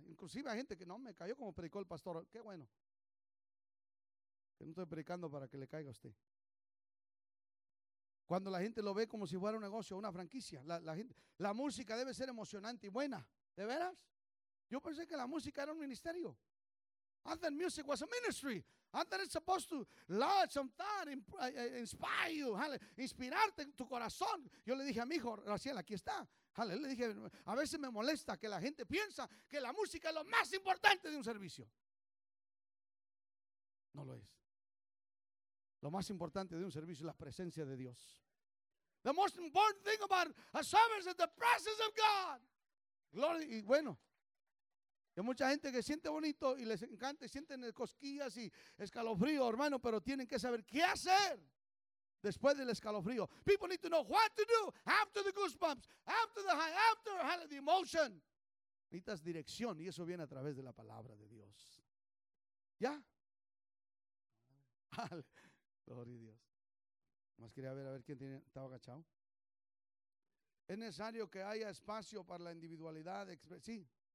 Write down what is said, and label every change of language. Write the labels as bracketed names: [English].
[Spanish] Inclusive hay gente que no me cayó como predicó el pastor. Qué bueno. Que no estoy predicando para que le caiga a usted. Cuando la gente lo ve como si fuera un negocio, una franquicia. La música debe ser emocionante y buena. ¿De veras? Yo pensé que la música era un ministerio. [English] I thought music was a ministry. I thought it's supposed to launch some thought, inspire you, [Spanish] inspirarte tu corazón. Yo le dije a mi hijo, Raciel, aquí está. Le dije, a veces me molesta que la gente piensa que la música es lo más importante de un servicio. No lo es. Lo más importante de un servicio es la presencia de Dios. [English] The most important thing about a service is the presence of God. [Spanish] Gloria, y bueno. Hay mucha gente que siente bonito y les encanta y sienten cosquillas y escalofrío, hermano, pero tienen que saber qué hacer después del escalofrío. [English] People need to know what to do after the goosebumps, after the high, after the emotion. [Spanish] Necesitas dirección y eso viene a través de la palabra de Dios. ¿Ya? Gloria a Dios. Más quería ver quién tiene, estaba agachado. Es necesario que haya espacio para la individualidad, sí.